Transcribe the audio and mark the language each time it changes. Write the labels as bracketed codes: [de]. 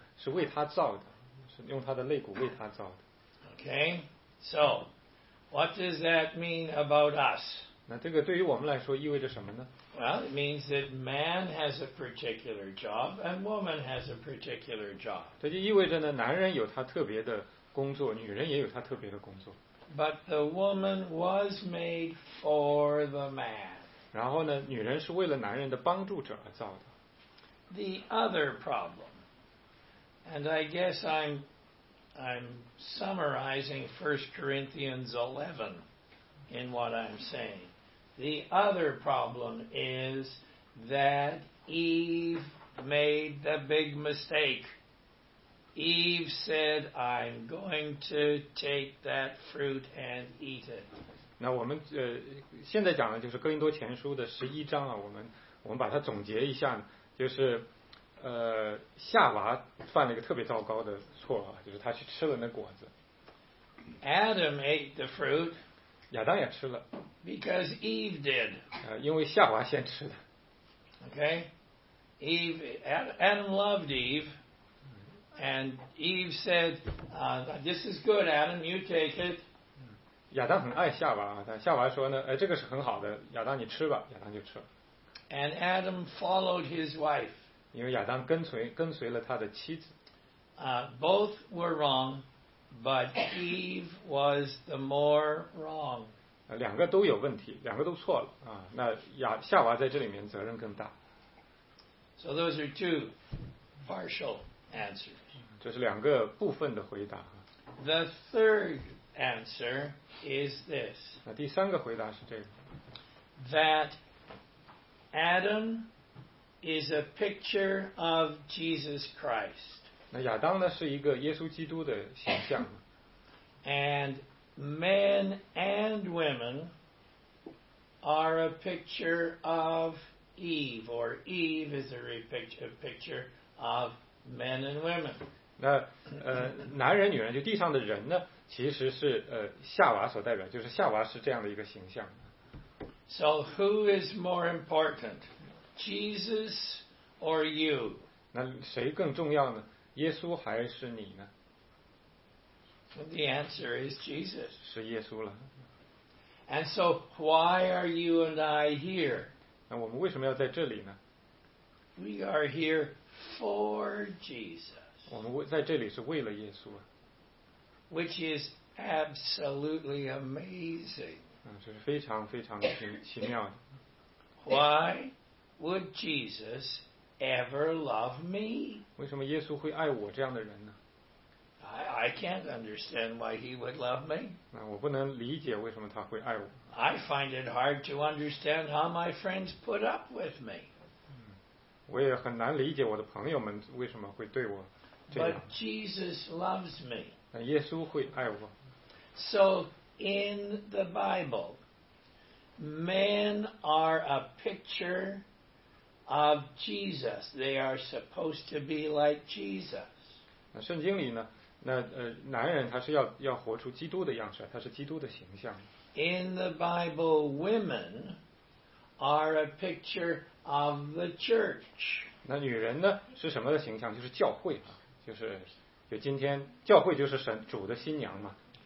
[zh] 那他的妻子夏娃呢，是为他造的，是用他的肋骨为他造的。 [en] Okay, so what does that mean about us? [zh] 那这个对于我们来说意味着什么呢？ [en] Well, it means that man has a particular job and woman has a particular job. [zh] 这就意味着呢，男人有他特别的工作，女人也有他特别的工作。 [en] But the woman was made for the man. [zh] 然后呢，女人是为了男人的帮助者而造的。 [en] The other problem. And I guess I'm summarizing 1 Corinthians 11 in what I'm saying. The other problem is that Eve made the big mistake. Eve said, I'm going to take that fruit and eat it. [zh] 那我们现在讲的就是哥林多前书的十一章啊，我们把它总结一下，就是夏娃犯了一个特别糟糕的错啊，就是她去吃了那果子。 [en] Adam ate the fruit. [zh] 亚当也吃了。 [en] Because Eve did. [zh] 因为夏娃先吃的。 [en] Okay, Eve. Adam loved Eve, and Eve said, "This is good, Adam. You take it." [zh] 亚当很爱夏娃，但夏娃说呢，哎，这个是很好的，亚当你吃吧，亚当就吃了。 [en] And Adam followed his wife. [zh] 因为亚当跟随了他的妻子。 [en] Both were wrong, but Eve was the more wrong. [zh] 两个都有问题，两个都错了啊。那夏娃在这里面责任更大。 [en] So those are two partial answers. [zh] 这是两个部分的回答。 [en] The third answer is this. [zh] 那第三个回答是这个。 [en] That Adam is a picture of Jesus Christ. [zh] 那亚当呢，是一个耶稣基督的形象。 [en] And men and women are a picture of Eve, or Eve is a picture of men and women. [zh] 那男人女人，就地上的人呢，其实是夏娃所代表，就是夏娃是这样的一个形象。 [en] So who is more important, Jesus or you? [zh] 那谁更重要呢？耶稣还是你呢？ [en] The answer is Jesus. [zh] 是耶稣了。 [en] And so why are you and I here? [zh] 那我们为什么要在这里呢？ [en] We are here for Jesus. [zh] 我们在这里是为了耶稣。 [en] Which is absolutely amazing. [zh] 这是非常非常奇妙的。 [en] Why would Jesus ever love me? [zh] 为什么耶稣会爱我这样的人呢？ [en] I can't understand why he would love me. [zh] 我不能理解为什么他会爱我。 [en] I find it hard to understand how my friends put up with me. [zh] 我也很难理解我的朋友们为什么会对我这样。 [en] But Jesus loves me. [zh] 耶稣会爱我。 [en] So in the Bible, men are a picture of Jesus. They are supposed to be like Jesus. [zh] 圣经里呢，那男人他是要活出基督的样式，他是基督的形象。 [en] In the Bible, women are a picture of the church. [zh] 那女人呢，是什么的形象？就是教会啊，就今天教会就是神主的新娘嘛。